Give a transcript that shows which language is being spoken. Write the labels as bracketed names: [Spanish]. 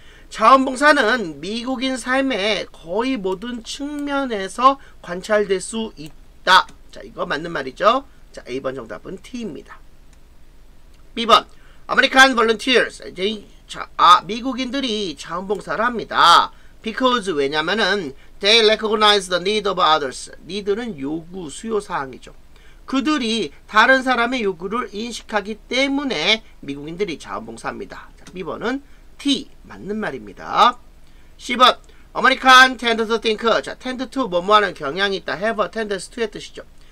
[Korean] 자원봉사는 미국인 삶의 거의 모든 측면에서 관찰될 수 있다. 자, 이거 맞는 말이죠. 자, A번 정답은 T입니다. [English] B번. American volunteers. [Korean] 이제 미국인들이 자원봉사를 합니다. [English] Because, [Korean] 왜냐면은, [English] they recognize the need of others. [Korean] Need는 요구, 수요사항이죠. 그들이 다른 사람의 요구를 인식하기 때문에 미국인들이 자원봉사합니다. 자, B번은 T, 맞는 말입니다. [English] C번, American tend to think. 자, tend to [Korean] 뭐뭐하는 경향이 있다. [English] Have a tendency to의 [Korean] 뜻이죠.